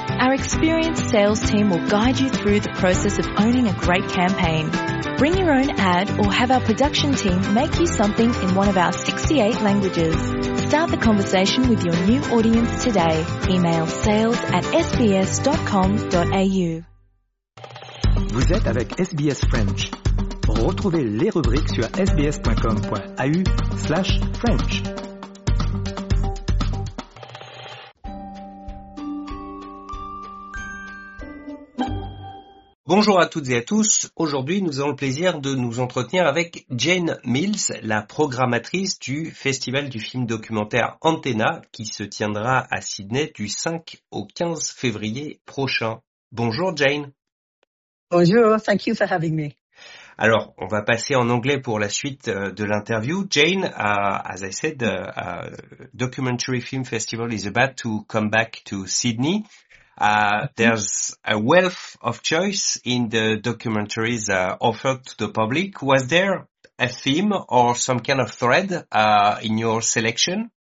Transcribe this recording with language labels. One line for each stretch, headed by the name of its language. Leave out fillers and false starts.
English: Our experienced sales team will guide you through the process of owning a great campaign. Bring your own ad or have our production team make you something in one of our 68 languages. Start the conversation with your new audience today. Email sales@sbs.com.au.
French: Vous êtes avec SBS French. Retrouvez les rubriques sur sbs.com.au/French. Bonjour à toutes et à tous. Aujourd'hui, nous avons le plaisir de nous entretenir avec Jane Mills, la programmatrice du Festival du film documentaire Antenna, qui se tiendra à Sydney du 5 au 15 février prochain. Bonjour Jane.
English: Bonjour, thank you for having me.
French: Alors, on va passer en anglais pour la suite de l'interview.
English: Jane, as I said, Documentary Film Festival is about to come back to Sydney. There's a wealth of choice in the documentaries offered to the public. Was there a theme or some kind of thread in your selection?